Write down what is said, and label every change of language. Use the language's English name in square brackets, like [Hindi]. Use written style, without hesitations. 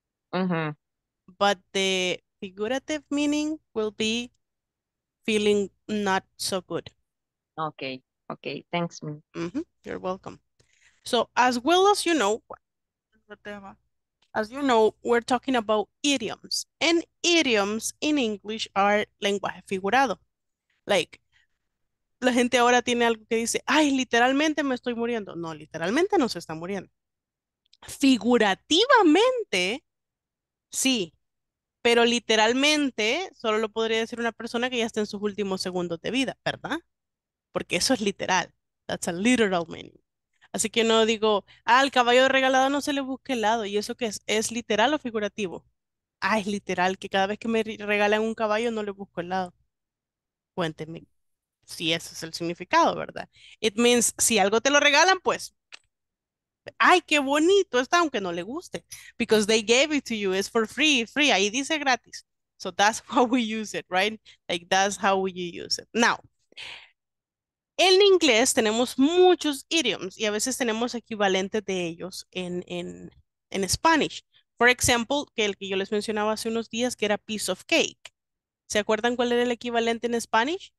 [English] But the figurative meaning will be feeling not so good. Okay, thanks. You're welcome. So, as well as you know, we're talking about idioms. And idioms in English are [Spanish] lenguaje figurado. Like, la gente ahora tiene algo que dice, ay, literalmente me estoy muriendo. No, literalmente no se está muriendo. Figurativamente, sí, pero literalmente solo lo podría decir una persona que ya está en sus últimos segundos de vida, ¿verdad? Porque eso es literal. [English] That's a literal meaning. [Spanish] Así que no digo, ah, el caballo regalado no se le busque el lado. ¿Y eso qué es? ¿Es literal o figurativo? Ah, es literal, que cada vez que me regalan un caballo no le busco el lado. Cuénteme. Sí, ese es el significado, ¿verdad? [English] It means, [Spanish] si algo te lo regalan, pues, ¡ay, qué bonito está! Aunque no le guste. [English] Because they gave it to you, it's for free, free. [Spanish] Ahí dice gratis. [English] So that's how we use it, right? Like, that's how we use it. [Spanish] Now, en inglés tenemos muchos idioms y a veces tenemos equivalentes de ellos en Spanish. [English] For example, [Spanish] que el que yo les mencionaba hace unos días, que era piece of cake. ¿Se acuerdan cuál era el equivalente en Spanish?